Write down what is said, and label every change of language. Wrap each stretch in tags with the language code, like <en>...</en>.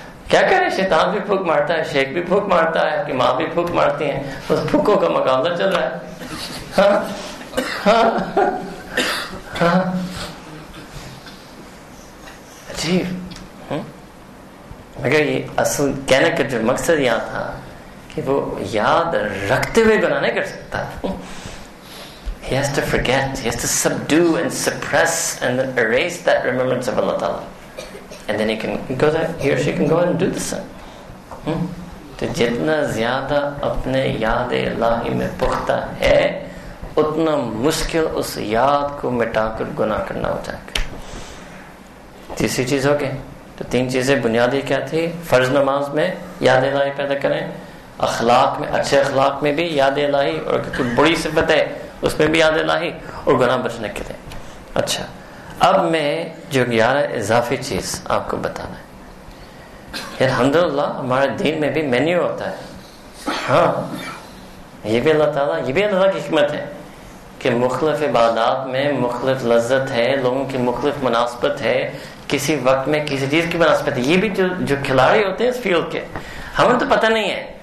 <hi>क्या करें, शैतान भी फूक मारता है, शेख भी फूक मारता है, कि माँ भी फूक मारती है, उस फूकों का मुकाबला चल रहा है। अजीब, मगर ये असल कहने का जो मकसद यहाँ था कि वो याद रखते हुए गुनाह नहीं कर सकता।</hi> <en>He has to forget, he has to subdue and suppress and then erase that remembrance of Allah Ta'ala. And then he or she can go ahead and do the sin.</en> <hi>To jitna zyada apne yaad e ilahi mein pukhta hai, utna mushkil us yaad ko mitakar guna karna ho jayega. Teesri cheez okay. To teen cheeze bunyadi kya thi? Farz namaz mein yaad e ilahi paida kare, akhlaq mein, achhe akhlaq mein bhi yaad e ilahi, aur kyunki buri sifat hai उसमें भी याद इलाही और गुनाह बचने के लिए। अच्छा, अब मैं जो 11 इजाफी चीज आपको बताना है, अल्हम्दुलिल्लाह हमारे दीन में भी मेन्यू होता है। हाँ, ये भी अल्लाह की हिकमत है कि मुख्तलिफ इबादात में मुख्तलिफ लज्जत है, लोगों की मुख्तलिफ मुनासबत है, किसी वक्त में किसी चीज की मुनासबत है। ये भी जो खिलाड़ी होते हैं इस फील्ड के, हमें तो पता नहीं है।</hi>